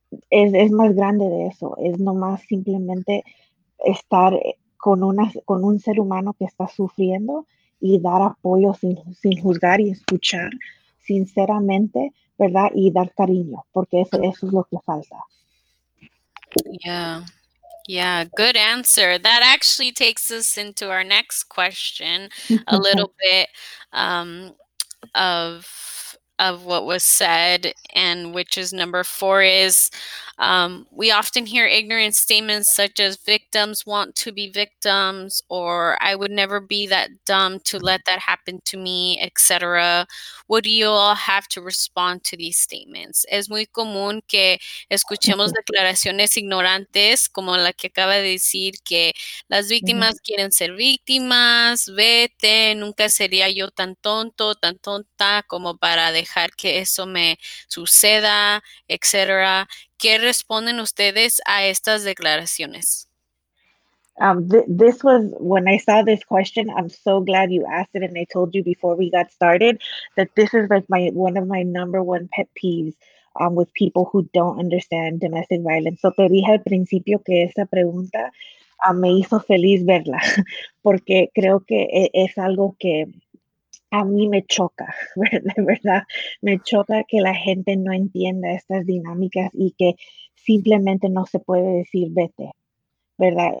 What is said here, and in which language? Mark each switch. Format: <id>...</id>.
<es>Es más grande de eso, es nomás simplemente estar con un ser humano que está sufriendo y dar apoyo sin juzgar y escuchar sinceramente, ¿verdad? Y dar cariño, porque eso es lo que falta.</es> <en>Yeah, good answer. That actually takes us into our next question, a little bit of what was said, and which is number four is we often hear ignorant statements such as victims want to be victims, or I would never be that dumb to let that happen to me, etc. What do you all have to respond to these statements?</en> <es>Es muy común que escuchemos declaraciones ignorantes, como la que acaba de decir, que las víctimas quieren ser víctimas, vete, nunca sería yo tan tonto, tan tonta como para dejar que eso me suceda, etc. ¿Qué responden ustedes a estas declaraciones?</es> <en>This was when I saw this question. I'm so glad you asked it, and I told you before we got started that this is like one of my number one pet peeves. With people who don't understand domestic violence.</en> <es>So te dije al principio que esa pregunta me hizo feliz verla, porque creo que es algo que a mí me choca, ¿verdad? Me choca que la gente no entienda estas dinámicas y que simplemente no se puede decir vete, ¿verdad?</es>